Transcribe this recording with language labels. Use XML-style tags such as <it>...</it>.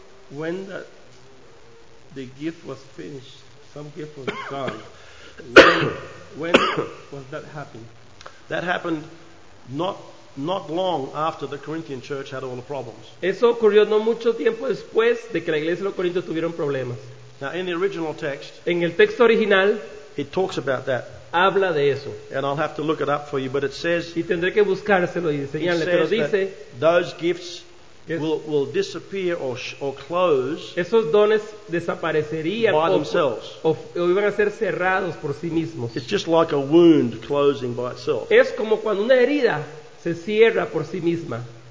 <en>When the gift was finished, some gift was gone. When was that happening? That happened not long after the Corinthian church had all the problems.</en> <es>Eso ocurrió no mucho tiempo después de que la iglesia de los Corintios tuvieron problemas.</es> <en>Now in the original text,</en> <es>en el texto original,</es> <en>it talks about that.</en> <es>Habla de eso.</es> <en>And I'll have to look it up for you, but it says.</en> <es>Y tendré que buscárselo y enseñarle, pero dice.</es> <en>Those gifts will disappear or close.</en> <es>Esos dones desaparecerían</es> <en>by themselves.</en> <es>O iban a ser cerrados por sí mismos.</es> <en>It's just like a wound closing by itself.</en> <es>Es como cuando una herida se cierra por sí misma.</es>